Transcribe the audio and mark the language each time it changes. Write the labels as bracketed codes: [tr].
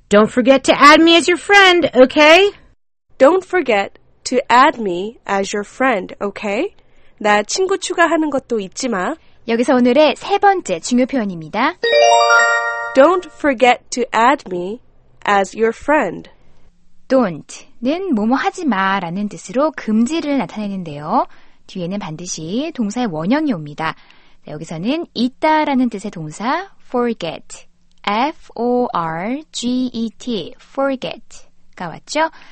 [en] Don't forget to add me as your friend, okay? Don't forget to add me as your friend, okay? [ko] 나 친구 추가하는 것도 잊지 마. 여기서 오늘의 세 번째 중요 표현입니다. [en] Don't forget to add me as your friend. [ko] Don't는 뭐뭐 하지 마라는 뜻으로 금지를 나타내는데요. 뒤에는 반드시 동사의 원형이 옵니다. 여기서는 잊다라는 뜻의 동사 forget, F-O-R-G-E-T, forget가 왔죠?